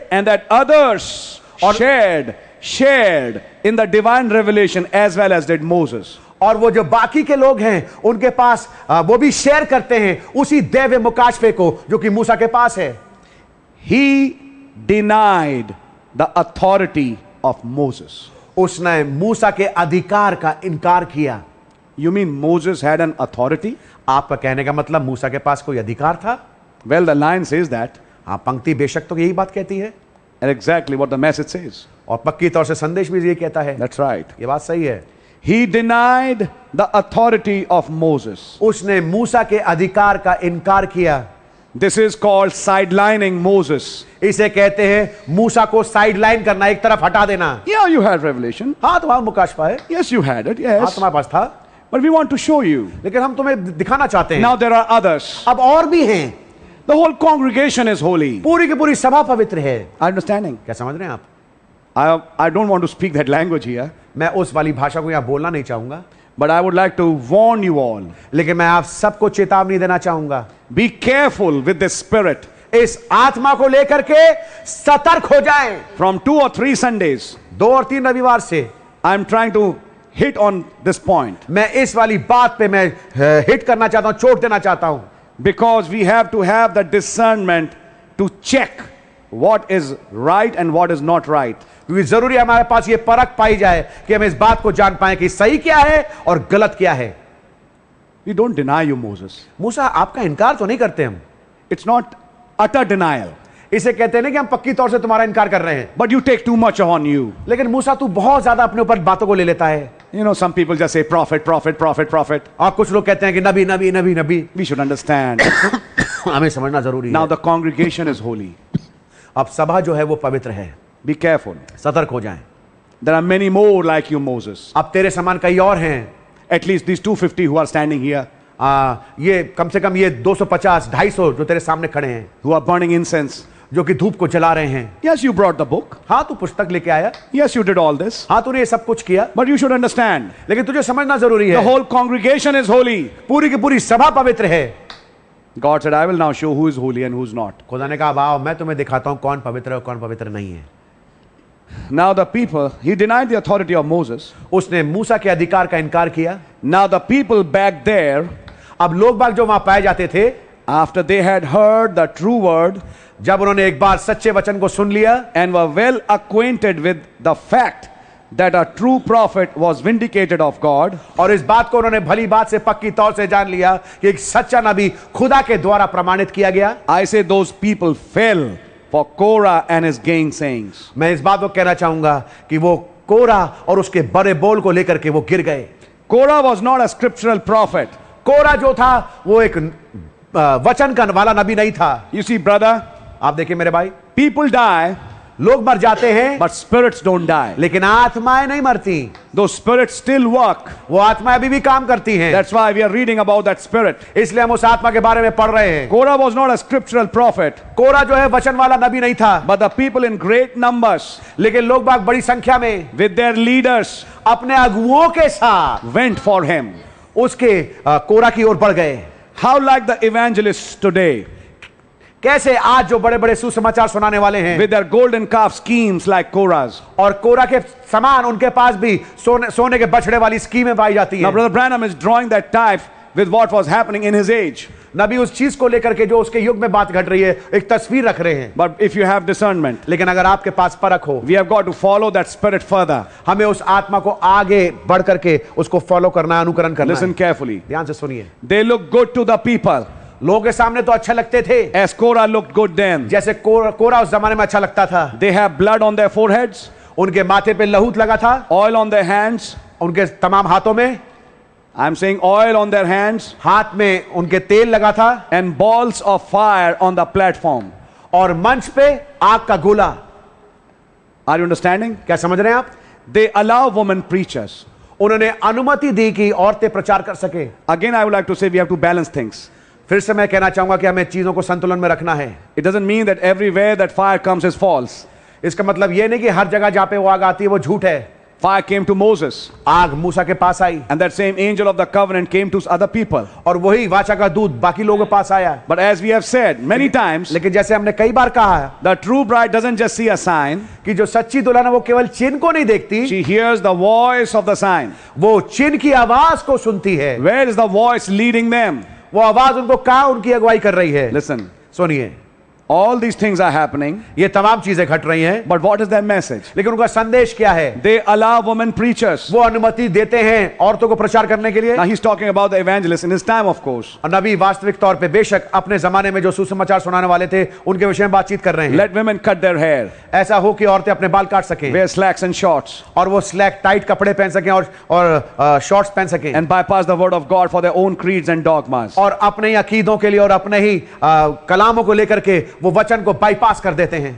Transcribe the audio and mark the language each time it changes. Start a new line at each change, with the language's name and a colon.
English: And that others shared in the divine revelation as well as did Moses.
Hindi: और वो जो बाकी के लोग हैं उनके पास वो भी शेयर करते हैं उसी दैव्य मुकाशफे को जो कि मूसा के पास है.
English: He denied the authority of Moses.
Hindi: उसने मूसा के अधिकार का इनकार किया.
English: You mean Moses had an authority?
Hindi: आपका कहने का मतलब मूसा के पास कोई अधिकार था?
English: Well, the line says that.
Hindi: हाँ, पंक्ति बेशक तो यही बात कहती है.
English: And exactly what the message says.
Hindi: और पक्की तौर से संदेश भी ये कहता है.
English: That's right.
Hindi: ये बात सही है.
English: He denied the authority of Moses.
Hindi: उसने मूसा के अधिकार का इनकार किया.
English: This is called sidelining Moses.
Hindi: इसे कहते हैं मूसा को साइडलाइन करना, एक तरफ हटा देना.
English: Yeah, you had revelation.
Hindi: हाँ, तुम्हारा मुकाशफा है.
English: Yes, you had it. Yes.
Hindi: हाँ, तुम्हारे पास था.
English: But we want to show you.
Hindi: लेकिन हम तुम्हें दिखाना चाहते हैं.
English: Now there are others.
Hindi: अब और भी हैं.
English: The whole congregation is holy.
Hindi: पूरी की पूरी सभा पवित्र है.
English: Understanding?
Hindi: क्या समझ रहे हैं आप?
English: I don't want to speak that language here.
Hindi: मैं उस वाली भाषा को यहाँ बोलना नहीं चाहूँगा.
English: But I would like to warn you all.
Hindi: लेकिन मैं आप सबको चेतावनी देना चाहूँगा.
English: Be careful with the spirit.
Hindi: इस आत्मा को लेकर के सतर्क हो जाएं.
English: From two or three Sundays.
Hindi: दो और तीन रविवार से.
English: I'm trying to hit on this point.
Hindi: मैं इस वाली बात पे मैं हिट करना चाहता हूँ, चोट देना चाहता हूँ.
English: Because we have to have the discernment to check what is right and what is not right.
Hindi: क्योंकि जरूरी हमारे पास ये परख पाई जाए कि हम इस बात को जान पाए कि सही क्या है और गलत क्या है.
English: We don't deny you, Moses.
Hindi: मूसा, आपका इनकार तो नहीं करते हम.
English: It's not utter denial.
Hindi: इसे कहते हैं ना कि हम पक्की तौर से तुम्हारा इनकार कर रहे हैं.
English: But you take too much on you.
Hindi: लेकिन मूसा, तू बहुत ज्यादा अपने ऊपर बातों को ले लेता है.
English: You know, some people just say prophet, prophet, prophet, prophet.
Hindi: और कुछ लोग कहते हैं कि नबी नबी नबी नबी.
English: We should understand.
Hindi: हमें समझना जरूरी
English: Now
Hindi: है.
English: The congregation is holy.
Hindi: अब सभा जो है वो पवित्र है.
English: Be careful.
Hindi: सतर्क हो जाएं.
English: There are many more like you, Moses.
Hindi: अब तेरे समान कई और हैं.
English: At least these 250 who are standing here.
Hindi: ये कम से कम ये 250-250 जो तेरे सामने खड़े हैं.
English: Who are burning incense.
Hindi: जो कि धूप को जला रहे हैं.
English: Yes, you brought the book.
Hindi: हाँ, तू पुस्तक लेके आया.
English: Yes, you did all this.
Hindi: हाँ, तूने ये सब कुछ किया.
English: But you should understand.
Hindi: लेकिन तुझे समझना जरूरी है.
English: The whole congregation is holy.
Hindi: पूरी की पूरी सभा पवित्र है.
English: God said, I will now show who is holy and who is not.
Hindi: खुदा ने कहा, आओ मैं तुम्हें दिखाता हूँ कौन पवित्र है और कौन पवित्र नहीं है.
English: Now the people, he denied the authority of Moses.
Hindi: उसने मूसा के अधिकार का इनकार किया.
English: Now the people back there,
Hindi: अब लोग बाग जो वहां पाए जाते थे,
English: after they had heard the true word,
Hindi: जब उन्होंने एक बार सच्चे वचन को सुन लिया,
English: and were well acquainted with the fact that a true prophet was vindicated of God,
Hindi: और इस बात को उन्होंने भली बात से पक्की तौर से जान लिया कि एक सच्चा नबी खुदा के द्वारा प्रमाणित किया गया.
English: I say those people fell for Korah and his gainsayings.
Hindi: मैं इस बात को कहना चाहूंगा कि वो कोरा और उसके बड़े बोल को लेकर के वो गिर गए.
English: Korah was not a scriptural prophet.
Hindi: कोरा जो था वो एक वचन का वाला नबी नहीं था.
English: You see, brother,
Hindi: आप देखिए मेरे भाई,
English: people die,
Hindi: लोग मर जाते हैं,
English: but spirits don't die.
Hindi: लेकिन आत्माएं नहीं मरती.
English: Those spirits still work.
Hindi: वो आत्माएं अभी भी काम करती हैं.
English: That's why we are reading about that spirit.
Hindi: इसलिए हम उस आत्मा के बारे में पढ़ रहे हैं.
English: Korah was not a scriptural prophet.
Hindi: कोरा जो है वचन वाला नबी नहीं था.
English: But the people in great numbers,
Hindi: लेकिन लोग बाग बड़ी संख्या में,
English: with their leaders,
Hindi: अपने अगुओं के साथ,
English: went for him.
Hindi: उसके कोरा की ओर बढ़ गए.
English: How like the evangelists today?
Hindi: कैसे आज जो बड़े बड़े सुसमाचार सुनाने वाले हैं,
English: with their golden calf schemes like Korahs,
Hindi: और कोरा के समान उनके पास भी सोने के बछड़े वाली स्कीमें पाई जाती हैं.
English: Brother Branham is drawing that type with what was happening in his age.
Hindi: नबी उस चीज को लेकर के जो उसके युग में बात घट रही है एक तस्वीर रख रहे हैं.
English: but if you have discernment,
Hindi: लेकिन अगर आपके पास परख हो,
English: we have got to follow that spirit further,
Hindi: हमें उस आत्मा को आगे बढ़ करके उसको फॉलो करना, अनुकरण करना.
English: listen carefully,
Hindi: ध्यान से सुनिए.
English: they look good to the people,
Hindi: लोगों के सामने तो अच्छा लगते थे.
English: As Korah looked good then,
Hindi: जैसे कोरा उस जमाने में अच्छा लगता था.
English: They have blood on their foreheads,
Hindi: उनके माथे पे लहू लगा था.
English: Oil on their hands,
Hindi: उनके तमाम हाथों में.
English: I'm saying oil on their hands,
Hindi: हाथ में उनके तेल लगा था.
English: And balls of fire on the platform,
Hindi: और मंच पे आग का गोला.
English: Are you understanding?
Hindi: क्या समझ रहे हैं आप?
English: They allow women preachers,
Hindi: उन्होंने अनुमति दी कि औरतें प्रचार कर सके.
English: Again, I would like to say we have to balance things.
Hindi: फिर से मैं कहना चाहूंगा कि हमें चीजों को संतुलन में रखना है.
English: It doesn't mean that everywhere that fire comes is false.
Hindi: इसका मतलब यह नहीं कि हर जगह जहां पे वो आग आती है वो झूठ है.
English: Fire came to Moses.
Hindi: आग मूसा के पास आई.
English: And that same angel of the covenant came to other people.
Hindi: और वही वाचा का दूत बाकी लोगों के पास आया.
English: But as we have said many times,
Hindi: लेकिन जैसे हमने कई बार कहा,
English: the true bride doesn't just see a sign,
Hindi: कि जो सच्ची दुल्हन है वो केवल चिन्ह को नहीं देखती.
English: She hears the voice of the sign.
Hindi: वो चिन्ह की आवाज को सुनती है.
English: Where is the voice leading them?
Hindi: वो आवाज उनको कहां उनकी अगुवाई कर रही है.
English: listen,
Hindi: सुनिए.
English: All these things are happening.
Hindi: ये तमाम चीजें घट रही हैं.
English: But what is their message?
Hindi: लेकिन उनका संदेश क्या है?
English: They allow women preachers.
Hindi: वो अनुमति देते हैं औरतों को प्रचार करने के लिए.
English: Now he's talking about the evangelists in his time, of course.
Hindi: और नबी वास्तविक तौर पे बेशक अपने जमाने में जो सुसमाचार सुनाने वाले थे, उनके विषय में बातचीत कर रहे हैं.
English: Let women cut their hair.
Hindi: ऐसा हो कि औरतें अपने बाल काट सकें.
English: Wear slacks and shorts.
Hindi: और वो slack tight कपड़े पहन सकें और shorts पहन सकें.
English: And bypass the word of God for their own creeds and dogmas.
Hindi: और अपने ही अकीदों के लिए और अपने ही कलामों को लेकर के वो वचन को बाईपास कर देते हैं.